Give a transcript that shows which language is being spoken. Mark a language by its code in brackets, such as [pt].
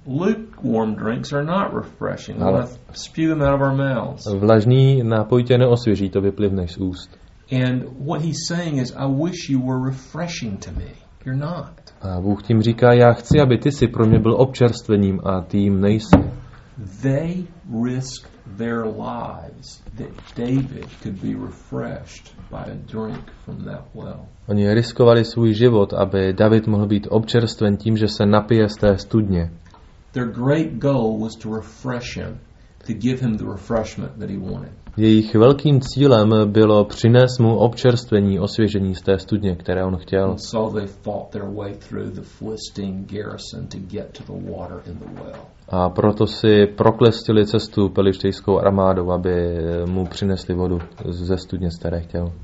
[en] Lukewarm drinks are not refreshing. We want to spew them out of our mouths. [cs] Vlažný nápoj tě neosvěží, to vyplivneš z úst. [en] And what he's saying is, I wish you were refreshing to me. You're not. [cs] A Bůh tím říká, já chci, aby ty si pro mě byl občerstvením, a ty jim nejsi. [en] They risked their lives that David could be refreshed by a drink from that well. [cs] Oni riskovali svůj život, aby David mohl být občerstven tím, že se napije z té studně. [en] Their great goal was to refresh him. to give him the refreshment that he wanted. [cs] Jejich velkým cílem bylo přinést mu občerstvení, osvěžení z té studně, které on chtěl. [en] And so they fought their way through the Philistine garrison to get to the water in the well. [cs] A proto si proklestili cestu pelištejskou armádou, aby mu přinesli vodu ze studně, z které chtěl.